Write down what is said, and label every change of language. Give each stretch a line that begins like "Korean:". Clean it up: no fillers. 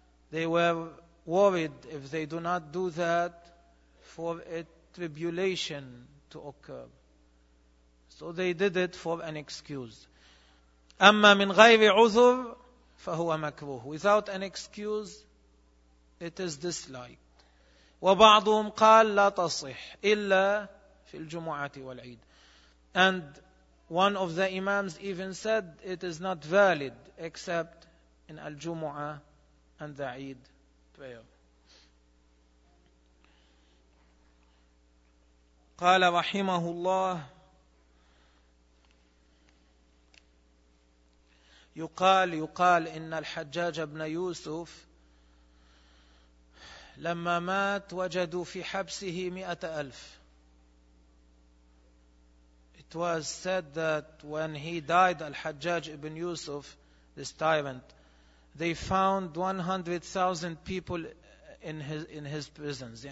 English: They were worried if they do not do that for a tribulation to occur. So they did it for an excuse.
Arabic: أما من غير عذر فهو مكروه.
English: Without an excuse, it is disliked.
Arabic: وبعضهم قال لا تصح إلا في الجمعة والعيد.
English: And one of the imams even said it is not valid except in al-Jumu'ah and the Eid prayer.
Arabic: قال رحمه الله يقال إن الحجاج بن يوسف لما مات وجدوا في حبسه 100,000.
English: It was said that when he died, Al-Hajjaj ibn Yusuf, this tyrant, they found 100,000 people in his prisons.